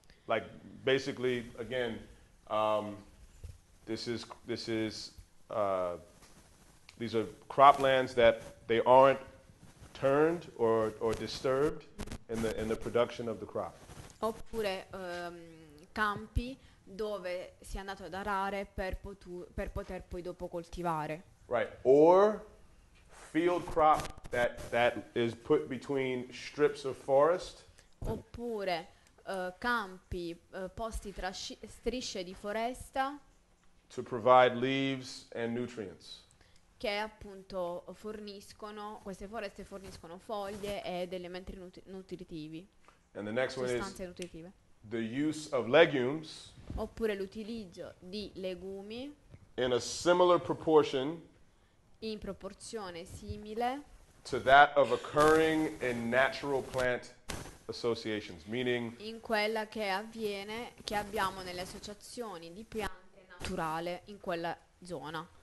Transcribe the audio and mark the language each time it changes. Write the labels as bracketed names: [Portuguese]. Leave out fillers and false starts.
[English] Like basically, again, these are croplands that they aren't turned or disturbed in the production of the crop. [Italian] Oppure campi dove si è andato ad arare per poter poi dopo coltivare. [English] Right, or field crop that is put between strips of forest. [Italian] Oppure campi posti tra strisce di foresta. [English] To provide leaves and nutrients. [Italian] Che appunto forniscono, queste foreste forniscono foglie ed elementi nutritivi. [English] And the next one is nutritive. The use of legumes. [Italian] Oppure l'utilizzo di legumi. [English] In a similar proportion. [Italian] In proporzione simile. [English] To that of occurring in natural plant associations, meaning. [Italian] In quella che avviene, che abbiamo nelle associazioni di piante naturale in quella zona.